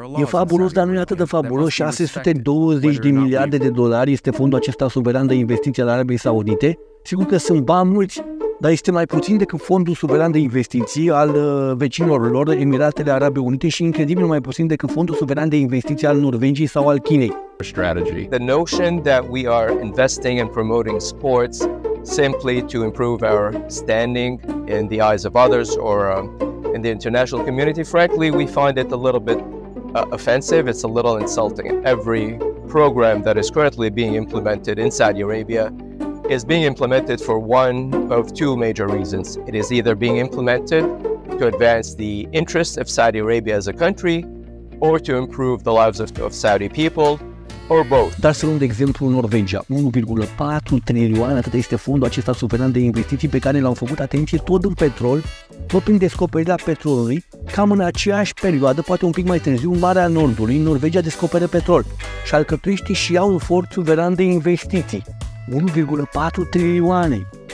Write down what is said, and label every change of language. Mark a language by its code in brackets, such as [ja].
[ro] E fabulos, dar nu e atât de fabulos. 620 de miliarde de dolari este fondul acesta suveran de investiții al Arabiei Saudite. Sigur că sunt bani mulți, dar este mai puțin decât fondul suveran de investiții al vecinilor lor, Emiratele Arabe Unite, și incredibil mai puțin decât fondul suveran de investiții al Norvegiei sau al Chinei. [en] Strategy. The notion that we are investing and promoting sports simply to improve our standing in the eyes of others or in the international community, frankly, we find it a little bit offensive, it's a little insulting. Every program that is currently being implemented in Saudi Arabia is being implemented for one of two major reasons. It is either being implemented to advance the interests of Saudi Arabia as a country, or to improve the lives of Saudi people, or both. [ro] Dar să luăm de exemplu Norvegia. 1,4 trilioane, atât este fondul acesta suveran de investiții pe care l-au făcut, atenție, tot în petrol, tot prin descoperirea petrolului, cam în aceeași perioadă, poate un pic mai târziu, în Marea Nordului, Norvegia descoperă petrol. Și alcătuiștii și au un fond suveran de investiții. 1,4 trilioane.